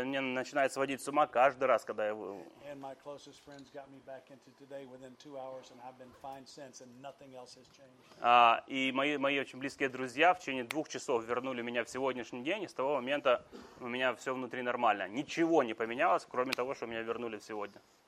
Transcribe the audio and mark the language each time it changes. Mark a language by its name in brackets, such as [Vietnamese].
[Russian] И мне начинает сводить с ума каждый раз, когда я... [English] And my closest friends got me back into today within 2 hours, and I've been fine since, and nothing else has changed. [Russian] И мои очень близкие друзья в течение 2 часов вернули меня в сегодняшний день, и с того момента у меня все внутри нормально. Ничего не поменялось, кроме того, что меня вернули в сегодня.